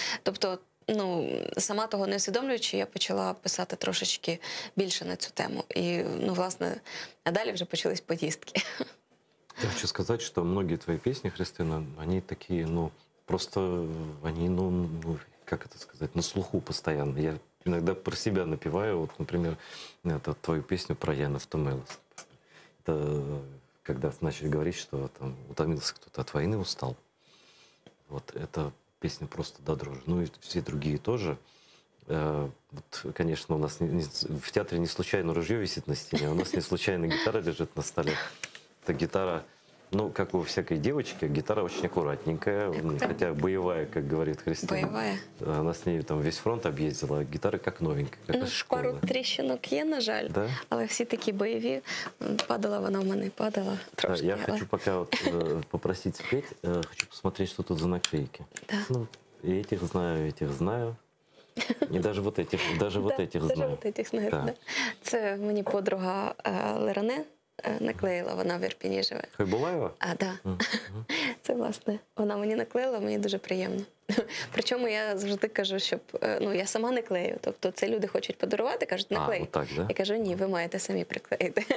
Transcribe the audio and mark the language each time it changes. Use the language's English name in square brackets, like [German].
[Ukrainian] Тобто, ну, сама того не усвідомлюючи, я почала писати трошечки більше на цю тему. І, ну, власне, а далі вже почались поїздки. Я хочу сказати, що багато твої пісні, Христина, вони такі, ну, просто вони, ну, ну, [Russian] как это сказать, на слуху постоянно. Я иногда про себя напеваю, вот, например, это, твою песню про Яна Втомилась. Это когда начали говорить, что там утомился кто-то от войны, устал. Вот, эта песня просто до дрожи. Ну и все другие тоже. Вот, конечно, у нас не, в театре не случайно ружье висит на стене, у нас не случайно гитара лежит на столе. Это гитара, ну, как у всякой девочки, гитара очень аккуратненькая, хотя боевая, как говорит Христина. Боевая. Она с ней там весь фронт объездила, гитара как новенькая, как [Ukrainian] ну, шкару трещинок есть, на жаль, [Russian] да? Але все такие боевые. Падала она у меня, падала. Да, я хочу пока вот, попросить спеть, хочу посмотреть, что тут за наклейки. Да. Ну, и этих знаю, и даже вот этих, даже вот этих знаю. Даже вот этих знаю, да. Это мне подруга Лерене. [Ukrainian] Наклеїла, вона в Ірпіні живе. Хайбулаєва? [Russian] А, да. [Ukrainian] Це, власне, вона мені наклеїла, мені дуже приємно. Причому я завжди кажу, щоб, ну, я сама не клею. Тобто це люди хочуть подарувати, кажуть, не клей. А, отак, да? Я кажу, ні, ви маєте самі приклеїти.